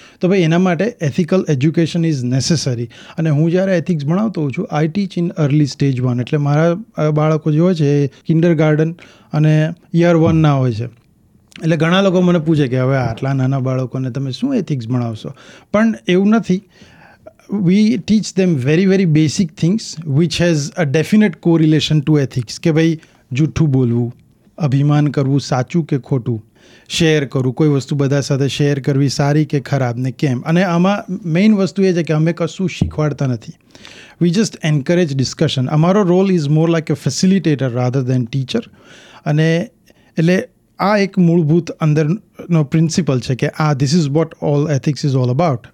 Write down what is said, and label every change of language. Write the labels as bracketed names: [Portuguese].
[Gujarati] તો ભાઈ એના માટે [English] Ethical education is necessary. [Gujarati] અને હું જ્યારે એથિક્સ ભણાવતો હોઉં છું, [English] I teach in early stage 1, [Gujarati] એટલે મારા બાળકો જે હોય છે એ કિન્ડરગાર્ડન અને year 1ના હોય છે. એટલે ઘણા લોકો મને પૂછે કે હવે આટલા નાના બાળકોને તમે શું એથિક્સ ભણાવશો, પણ એવું નથી. [English] We teach them very, very basic things which has a definite correlation to ethics. [Gujarati] કે ભાઈ જૂઠું બોલવું, અભિમાન કરવું સાચું કે ખોટું, શેર કરવું, કોઈ વસ્તુ બધા સાથે શેર કરવી સારી કે ખરાબ ને કેમ. અને આમાં મેઇન વસ્તુ એ છે કે અમે કશું શીખવાડતા નથી, [English] We just encourage discussion. [Gujarati] અમારો [English] Role is more like a facilitator rather than teacher. [Gujarati] અને એટલે આ એક મૂળભૂત અંદરનો પ્રિન્સિપલ છે કે આ [English] This is what all ethics is all about.